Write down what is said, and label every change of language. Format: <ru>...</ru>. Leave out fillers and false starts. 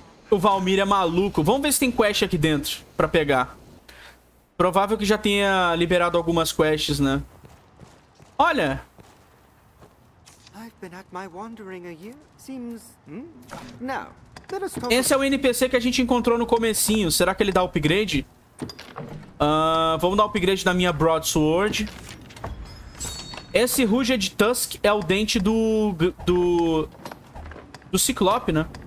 <pt>O Valmir é maluco. Vamos ver se tem quest aqui dentro pra pegar. Provável que já tenha liberado algumas quests, né? Olha!</pt> <en>I've been at my wandering a year. Seems... Now,</en> <pt>Esse é o NPC que a gente encontrou no comecinho. Será que ele dá upgrade? Vamos dar upgrade na minha broadsword. Esse Rugged Tusk é o dente do Ciclope, né?</pt>